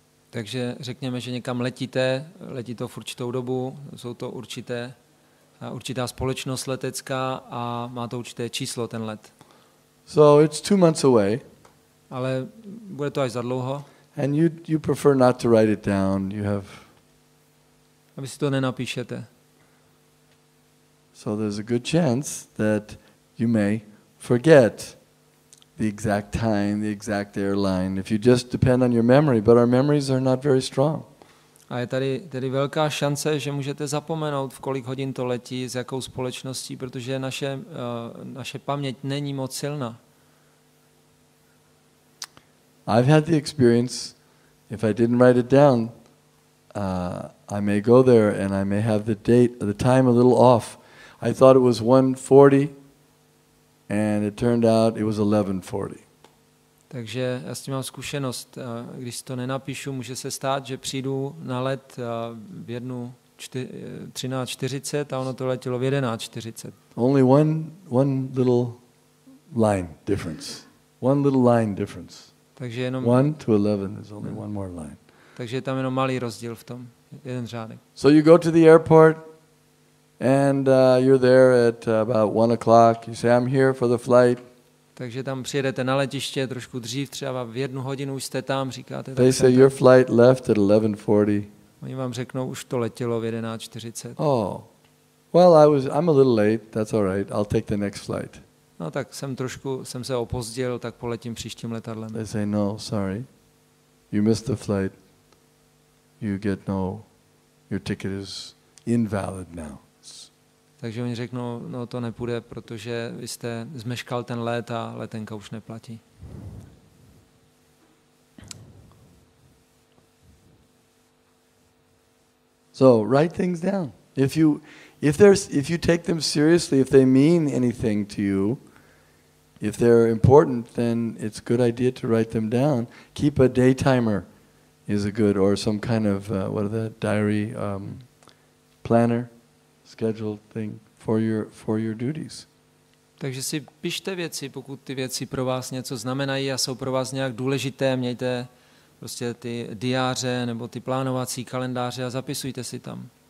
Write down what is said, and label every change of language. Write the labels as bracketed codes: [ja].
[cs] Takže řekněme, že někam letíte, letí to v určitou dobu, jsou to určitá společnost letecká a má to určité číslo ten let. [en] So it's 2 months away. [cs] Ale bude to až za dlouho. [en] And you prefer not to write it down. You have. [cs] Aby si to nenapíšete. [en] So there's a good chance that you may forget the exact time, the exact airline, if you just depend on your memory, but our memories are not very strong. [cs] A je tady velká šance, že můžete zapomenout, v kolik hodin to letí, s jakou společností, protože naše paměť není moc silná. [en] I've had the experience, if I didn't write it down, I may go there and I may have the date, the time a little off. I thought it was 1:40. And it turned out it was 11:40. [cs] Takže já s tím mám zkušenost, když si to nenapíšu, může se stát, že přijdu na let v 13:40 a ono to letělo v 11:40. [en] Only one little line difference. One little line difference. [cs] Takže jenom [en] 1 to 11 is only one more line. [cs] Takže je tam jenom malý rozdíl v tom, jeden řádek. [en] So you go to the airport. And you're there at about 1 o'clock. You say, "I'm here for the flight." [cs] Takže tam přijedete na letiště trošku dřív, třeba v jednu hodinu už jste tam, říkáte. [en] They say your flight left at 11:40. [cs] Oni vám řeknou, už to letělo v 11:40. [en] Oh, well, I'm a little late. That's all right. I'll take the next flight. [cs] No, tak jsem se opozdil, tak poletím příštím letadlem. [en] They say, "No, sorry, you missed the flight. You get no. Your ticket is invalid now." [cs] Takže oni řeknou, no to nepůjde, protože vy jste zmeškal ten let a letenka už neplatí. [en] So, write things down. If you take them seriously, if they mean anything to you, if they're important, then it's a good idea to write them down. Keep a day timer is a good, or some kind of, what are the diary, planner. Schedule thing for your duties. [cs] Takže si pište věci, pokud ty věci pro vás něco znamenají a jsou pro vás nějak důležité, mějte prostě ty diáře nebo ty plánovací kalendáře a zapisujte si tam.